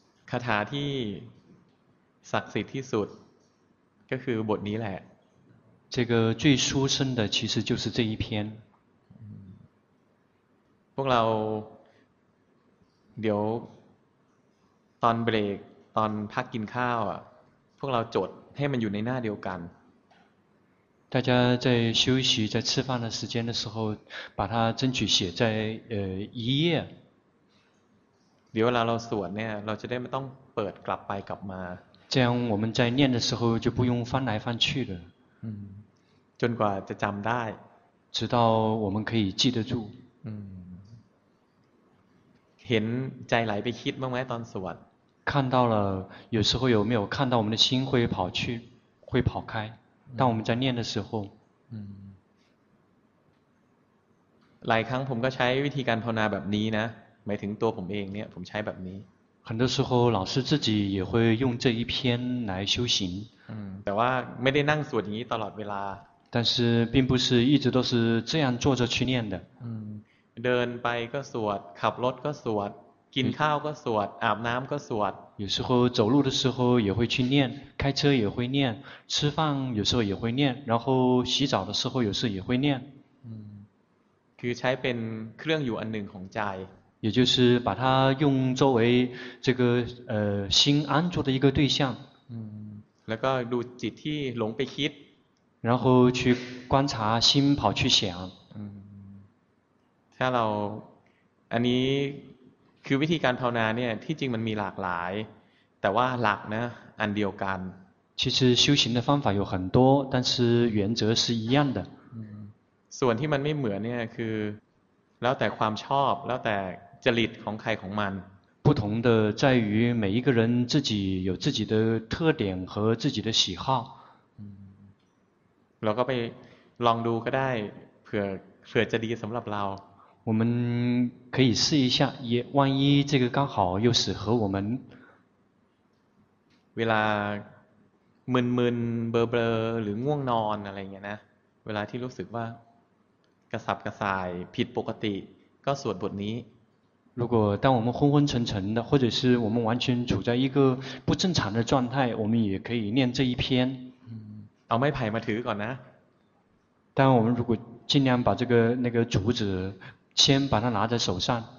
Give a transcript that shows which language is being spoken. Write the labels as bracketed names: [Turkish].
[Thai] คาถาที่ศักดิ์สิทธิ์ที่สุดก็คือบทนี้แหละ [Chinese] 这个最殊胜的其实就是这一篇 [Thai] พวกเราเดี๋ยวตอนเบรกตอนพักกินข้าวอ่ะพวกเราจดให้มันอยู่ในหน้าเดียวกัน [Chinese] 大家在休息在吃饭的时间的时候把它争取写在一页 [Thai] เดี๋ยวเวลาเราสวดเนี่ยเราจะได้ไม่ต้องเปิดกลับไปกลับมา [Chinese] 这样我们在念的时候就不用翻来翻去的 [Thai] จนกว่าจะจำได้ [Chinese] 直到我们可以记得住 [Thai] เห็นใจไหลไปคิดบ้างไหมตอนสวด [Chinese] 看到了有时候有没有看到我们的心会跑去会跑开当我们在念的时候 [Thai] หลายครั้งผมก็ใช้วิธีการภาวนาแบบนี้นะหมายถึงตัวผมเองเนี่ยผมใช้แบบนี้ [Chinese] 很多时候老师自己也会用这一篇来修行 [Thai] แต่ว่าไม่ได้นั่งสวดอย่างนี้ตลอดเวลา [Chinese] 但是并不是一直都是这样坐着去念的 [Thai] เดินไปก็สวดขับรถก็สวดกินข้าวก็สวดอาบน้ำก็สวด [Chinese] 有时候走路的时候也会去念开车也会念吃饭有时候也会念然后洗澡的时候有时候也会念 [Thai] คือใช้เป็นเครื่องอยู่อันหนึ่งของใจ [Chinese] 也就是把它用作为这个心安住的一个对象 [Thai] แล้วก็ดูจิตที่หลงไปคิด [Chinese] 然后去观察心跑去想 [Thai] ถ้าเราอันนี้คือวิธีการภาวนาเนี่ยที่จริงมันมีหลากหลายแต่ว่าหลักนะอันเดียวกัน [Chinese] 其实修行的方法有很多但是原则是一样的 [Thai] ส่วนที่มันไม่เหมือนเนี่ยคือแล้วแต่ความชอบแล้วแต่จริตของใครของมัน [Chinese] 不同的在于每一个人自己有自己的特点和自己的喜好 [Thai] เราก็ไปลองดูก็ได้เผื่อจะดีสำหรับเรา [Chinese] 我们可以试一下也万一这个刚好又适合我们 [Thai] เวลามึนๆเบลอๆหรือง่วงนอนอะไรเงี้ยนะเวลาที่รู้สึกว่ากระสับกระส่ายผิดปกติก็สวดบทนี้ [Chinese] 如果当我们昏昏沉沉的或者是我们完全处在一个不正常的状态我们也可以念这一篇 [Thai] เอาไม้ไผ่มาถือก่อนนะ [Chinese] 但我们如果尽量把这个那个竹子先把它拿在手上